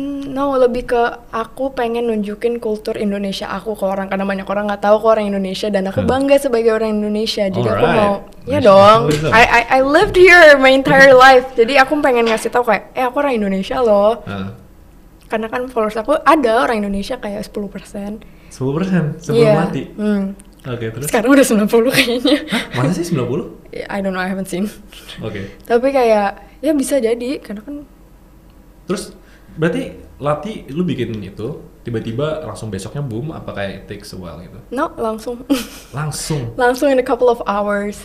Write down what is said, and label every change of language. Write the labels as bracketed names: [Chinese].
[Indonesian] No, lebih ke aku pengen nunjukin kultur Indonesia aku ke orang, karena banyak orang nggak tahu aku orang Indonesia dan aku bangga sebagai orang Indonesia. Jadi alright, aku mau, ya dong. [English] I lived here my entire life. [Indonesian] Jadi aku pengen ngasih tahu kayak, aku orang Indonesia loh. Karena kan followers aku ada orang Indonesia kayak 10%. 10% sebelum mati. Okay, terus. Sekarang udah 90 kayaknya. Mana sih 90? [English] I don't know, I haven't seen. Okay. [Indonesian] Tapi kayak ya bisa jadi karena kan. Terus berarti Lati lu bikin itu tiba-tiba langsung besoknya boom apa kayak [English] it takes a while [Indonesian] gitu? No, langsung. Langsung. Langsung [English] in a couple of hours.